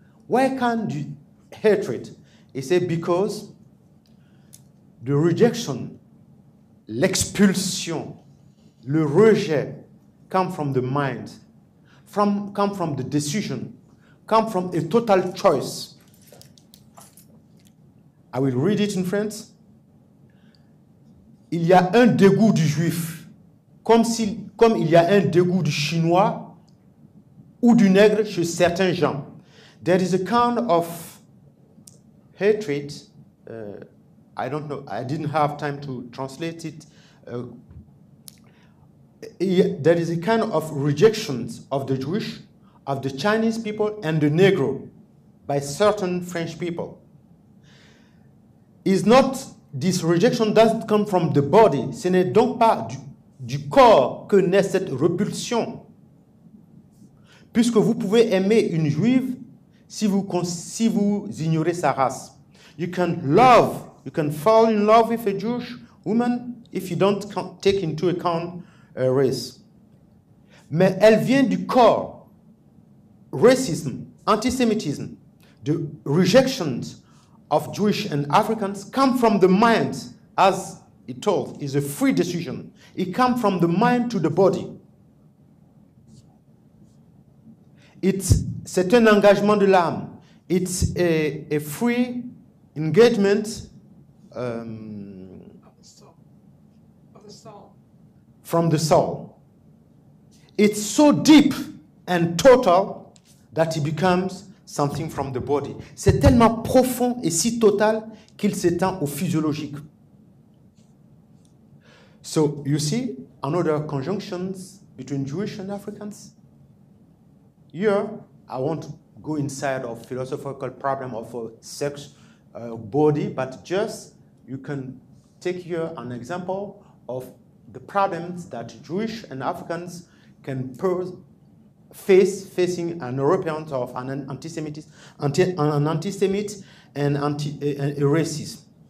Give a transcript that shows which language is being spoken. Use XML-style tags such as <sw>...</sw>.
<en>Why come the hatred? He said, because the rejection,</en> <fr>l'expulsion, le rejet,</fr> <en>come from the mind, come from the decision, come from a total choice. I will read it in French.</en> <fr>Il y a un dégoût du juif, comme il y a un dégoût du chinois ou du nègre chez certains gens.</fr> <en>There is a kind of hatred. I don't know. I didn't have time to translate it. There is a kind of rejection of the Jewish, of the Chinese people, and the Negro by certain French people. Is not this rejection doesn't come from the body.</en> <fr>Ce n'est donc pas du corps que naît cette repulsion. Puisque vous pouvez aimer une juive si vous ignorez sa race.</fr> <en>You can fall in love with a Jewish woman if you don't take into account her race.</en> <fr>Mais elle vient du corps.</fr> <en>Racism, antisemitism, the rejections of Jewish and Africans come from the mind, as it told, is a free decision. It comes from the mind to the body.</en> <fr>C'est un engagement de l'âme.</fr> <en>It's a free engagement from the soul. It's so deep and total that it becomes something from the body.</en> <fr>C'est tellement profond et si total qu'il s'étend au physiologique.</fr> <en>So you see another conjunctions between Jewish and Africans. Here, I won't go inside of philosophical problem of sex, body, but just you can take here an example of the problems that Jewish and Africans can pose facing an European of an antisemite and a racist.</en>